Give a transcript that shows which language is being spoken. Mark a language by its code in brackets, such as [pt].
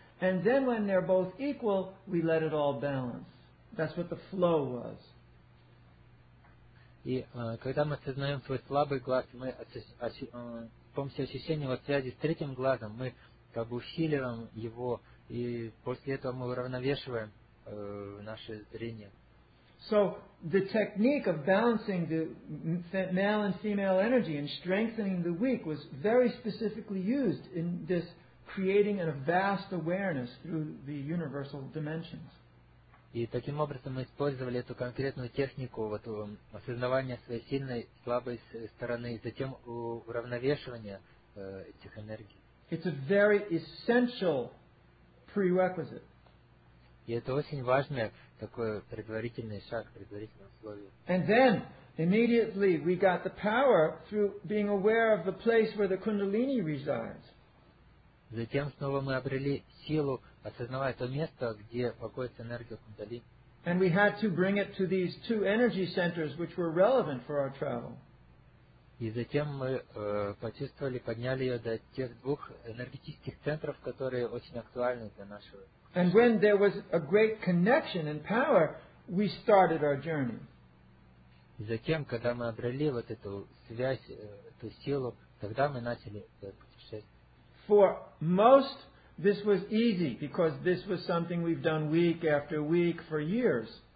[en] And then when they're both equal, we let it all balance. That's what the flow was. [ru] И когда мы осознаем свой слабый глаз, мы с помощью ощущения вот связи с третьим глазом, мы как бы усиливаем его, и после этого мы уравновешиваем наше зрение. [en] So the technique of balancing the male and female energy and strengthening the weak was very specifically used in this creating a vast awareness through the universal dimensions. [ru] И таким образом мы использовали эту конкретную технику вот осознавания своей сильной, слабой стороны, и затем уравновешивания этих энергий. [en] It's a very essential prerequisite. [ru] И это очень важное такое предварительный шаг, предварительное условие. [en] And then immediately we got the power through being aware of the place where the kundalini resides. [ru] Затем снова мы обрели силу, осознавая то место, где покоится энергия кундалини. [en] And we had to bring it to these two energy centers which were relevant for our travel. [ru] И затем мы почувствовали, подняли ее до тех двух энергетических центров, которые очень актуальны для нашего. [en] And when there was a great connection and power, we started our journey. [ru] И затем, когда мы обрели вот эту связь, эту силу, тогда мы начали путешествие. [en] For most, this was easy, because this was something we've done week after week for years.